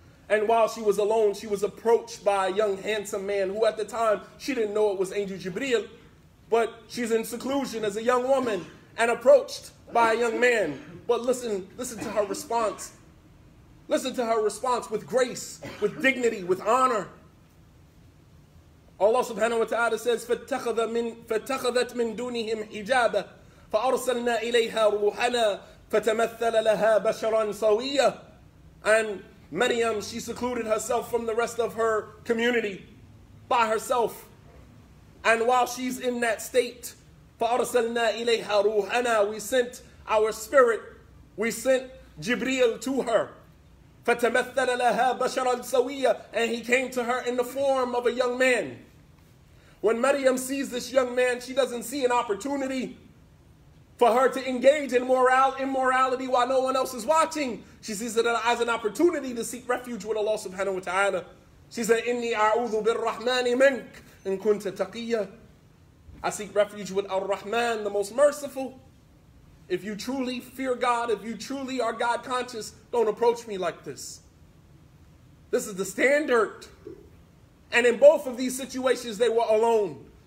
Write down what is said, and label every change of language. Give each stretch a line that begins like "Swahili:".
English: And while she was alone, she was approached by a young, handsome man who at the time, she didn't know it was Angel Jibreel, but she's in seclusion as a young woman and approached by a young man. But listen to her response. Listen to her response with grace, with dignity, with honor.
Arabic: Allah subhanahu wa ta'ala says, فَاتَّخَذَتْ مِن دُونِهِمْ حِجَابًا فَأَرْسَلْنَا إِلَيْهَا رُوحَنَا فَتَمَثَّلَ لَهَا بَشَرًا صَوِيًّا.
English: And Maryam, she secluded herself from the rest of her community by herself. And while she's in that state, فَأَرْسَلْنَا إِلَيْهَا رُوحَنَا, we sent our spirit, we sent Jibreel to her. فَتَمَثَّلَ لَهَا بَشَرًا سَوِيًّا, and he came to her in the form of a young man. When Maryam sees this young man, she doesn't see an opportunity for her to engage in immorality while no one else is watching. She sees it as an opportunity to seek refuge with Allah subhanahu wa ta'ala.
Arabic: She said, إِنِّي أَعُوذُ بِالرَّحْمَنِ مِنْكَ إِن كُنْتَ تَقِيًّا.
English: I seek refuge with Ar-Rahman, the most merciful. If you truly fear God, if you truly are God conscious, don't approach me like this. This is the standard. And in both of these situations, they were alone.